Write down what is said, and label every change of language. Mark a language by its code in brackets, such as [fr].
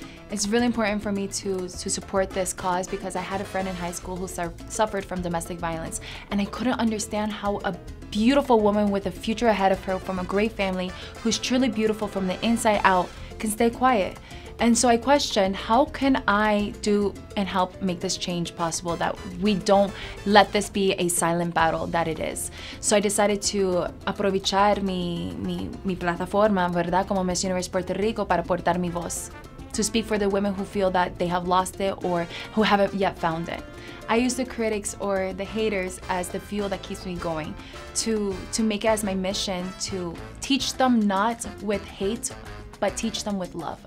[en] It's really important for me to support this cause because I had a friend in high school who suffered from domestic violence, and I couldn't understand how a beautiful woman with a future ahead of her from a great family who's truly beautiful from the inside out can stay quiet. And so I questioned, how can I do and help make this change possible that we don't let this be a silent battle that it is? So I decided to [es] aprovechar mi plataforma, ¿verdad? Como Miss Universo Puerto Rico para portar mi voz. [en] To speak for the women who feel that they have lost it or who haven't yet found it. I use the critics or the haters as the fuel that keeps me going, to make it as my mission to teach them not with hate, but teach them with love.